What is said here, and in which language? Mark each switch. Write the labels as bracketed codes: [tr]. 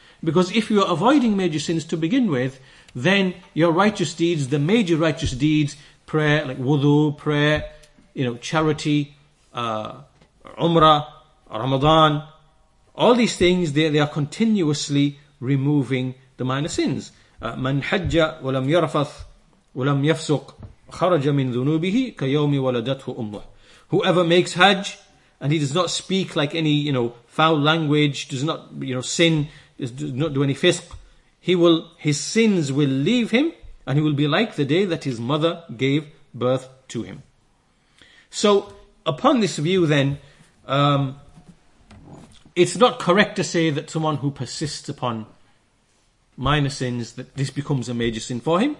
[en] Because if you are avoiding major sins to begin with, then your righteous deeds, the major righteous deeds, prayer, like wudu, prayer, charity, umrah, Ramadan, all these things, they are continuously removing the minor sins. [ar] من حج ولم يرفث ولم يفسق خرج من ذنوبه كيوم ولدته أمه. [en] Whoever makes Hajj and he does not speak like any foul language, does not sin, does not do any fisq, his sins will leave him, and he will be like the day that his mother gave birth to him. So upon this view, then, it's not correct to say that someone who persists upon minor sins, that this becomes a major sin for him.